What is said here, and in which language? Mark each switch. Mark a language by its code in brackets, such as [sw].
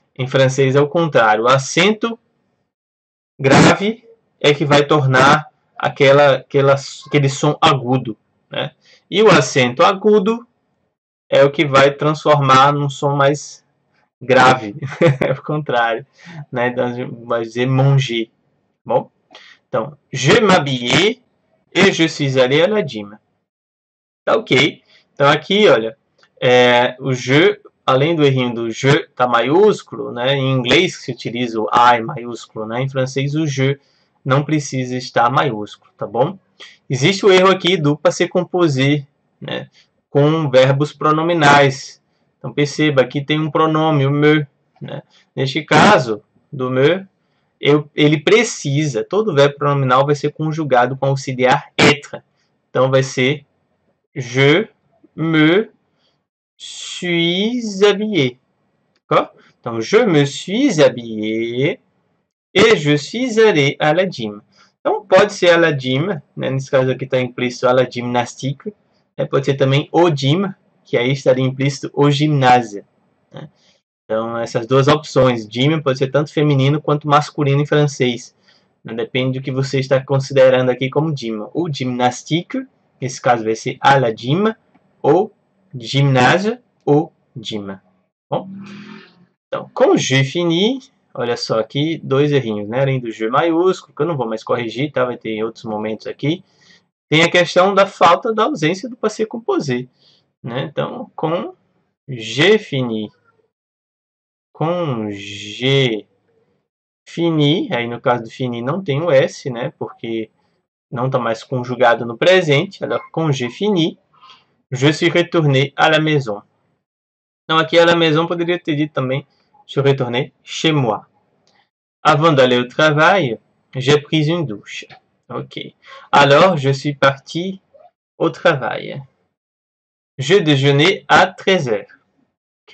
[pt] Em francês é o contrário, o acento grave é que vai tornar aquele som agudo, né? E o acento agudo é o que vai transformar num som mais grave, é o contrário, né? Então, vai dizer manger, bom? [fr] Então, je m'habillais et je suis allé à la gym. [pt] Tá ok? Então, aqui, olha, o je, além do errinho do je, tá maiúsculo, né? Em inglês se utiliza o I maiúsculo, né? Em francês o je não precisa estar maiúsculo, tá bom? Existe o erro aqui do passé composé, né? com verbos pronominais. Então perceba, aqui tem um pronome, o meu, né? Neste caso do meu, ele precisa, todo verbo pronominal vai ser conjugado com auxiliar être. Então vai ser [fr] je me suis habillé. Então je me suis habillé et je suis allé à la gym. [pt] Então pode ser [fr] à la gym, [pt] né? Nesse caso aqui está implícito [fr] à la gymnastique. [pt] É, pode ser também o gym, que aí estaria implícito o ginásio. Né? Então, essas duas opções. Gym pode ser tanto feminino quanto masculino em francês. Né? Depende do que você está considerando aqui como gym. O gymnastique, nesse caso vai ser à la gym, ou ginásio, ou gym. Bom? Então, com je fini, olha só aqui, dois errinhos, né? Além do je maiúsculo, que eu não vou mais corrigir, tá? Vai ter em outros momentos aqui. Tem a questão da falta da ausência do passé composé, né? Então, com je fini, com je fini, aí no caso do fini não tem o s, né? Porque não está mais conjugado no presente. [fr] Agora, com je fini, je suis retourné à la maison. [pt] Então, aqui à la maison poderia ter dito também [fr] je suis retourné chez moi. Avant d'aller au travail, j'ai pris une douche. Ok. Alors, je suis parti au travail. Je déjeunais à 13h. Ok.